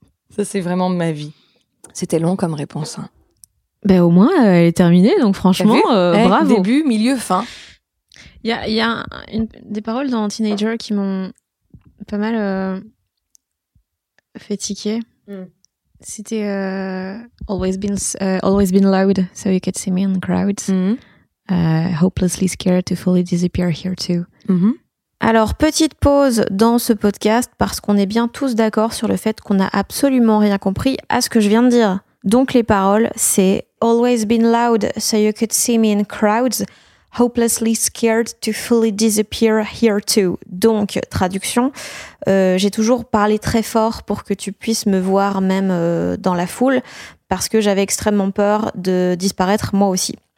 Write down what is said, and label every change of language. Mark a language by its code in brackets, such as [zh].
[fr] Ça, c'est vraiment ma vie. C'était long comme réponse. Hein. Ben au moins, elle est terminée, donc franchement, bravo. Début, milieu, fin. Il y a, des paroles dans Teenager qui m'ont pas mal fait tiquer. Mm. C'était [en] always been loud so you could see me in the crowds. Mm-hmm. Hopelessly scared to fully disappear here too. Mm-hmm. [fr] Alors, petite pause dans ce podcast parce qu'on est bien tous d'accord sur le fait qu'on n'a absolument rien compris à ce que je viens de dire. Donc, les paroles, c'est « [en] Always been loud so you could see me in crowds, hopelessly scared to fully disappear here too. [fr] » Donc, traduction, j'ai toujours parlé très fort pour que tu puisses me voir même dans la foule parce que j'avais extrêmement peur de disparaître moi aussi.